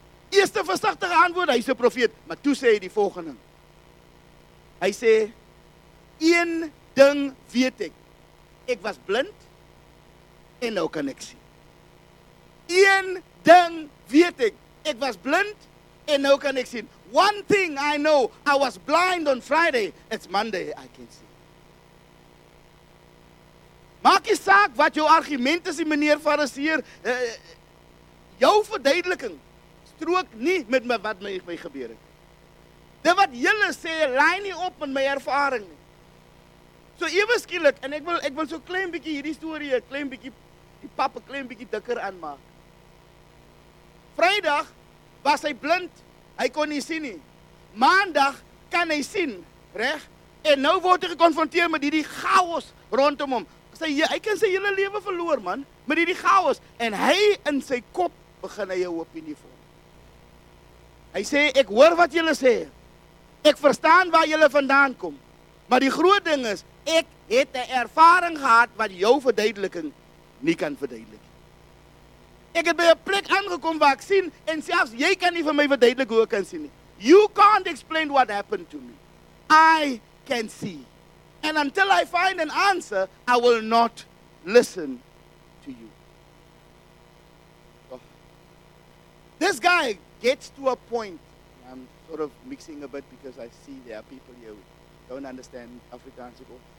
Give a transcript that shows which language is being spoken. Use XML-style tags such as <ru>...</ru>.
<af>Eerste versigtige antwoord, hy's 'n profeet, maar toe sê hy die volgende. Hy sê, een ding weet ek. Ek was blind en nou kan ek sien. Een ding weet ek. Ek was blind en nou kan ek sien.</af> <en>One thing I know, I was blind on Friday. It's Monday, I can see.</en> <af>Maak nie saak wat jou argument is, die meneer Fariseer. Jou verduideliking strook nie met wat met my gebeur het. Dit wat julle sê, lyn nie op met my ervaring nie. So ewe skielik, en ek wil so klein bietjie hierdie storie, klein bietjie die pap, klein bietjie dikker aanmaak. Vrydag was hy blind, hy kon nie sien nie. Maandag kan hy sien, reg? En nou word hy gekonfronteer met hierdie chaos rondom hom. Hy kan sy hele lewe verloor, man, met hierdie chaos. En hy in sy kop begin hy 'n opinie vorm. Hy sê, ek hoor wat julle sê. Ek verstaan waar julle vandaan kom. Maar die groot ding is, ek het 'n ervaring gehad wat jou verduideliking nie kan verduidelik. Ek het by 'n plek aangekom waar ek sien, en selfs jy kan nie vir my verduidelik hoe ek kan sien nie.</af> <en>You can't explain what happened to me. I can see. And until I find an answer, I will not listen to you. Oh. This guy gets to a point. I'm sort of mixing a bit because I see there are people here who don't understand Afrikaans at all.</en>